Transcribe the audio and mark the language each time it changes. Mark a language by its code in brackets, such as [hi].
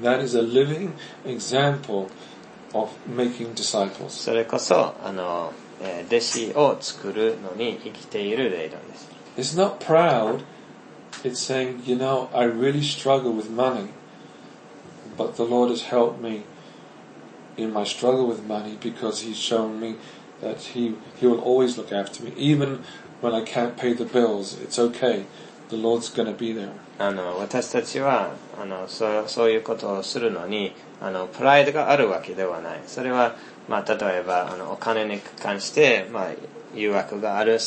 [en] That is a living example of making disciples. [ja] それこそ弟子を作るのに生きている例なんです。 [en] It's not proud. It's saying, you know, I really struggle with money, but the Lord has helped me in my struggle with money because He's shown me. That he will always look after me, even when I can't pay the bills. It's okay. The Lord's going to be there. [ja] 私たちはそういうことをするのにプライドがあるわけではない。それは例えばお金に関して誘惑がある。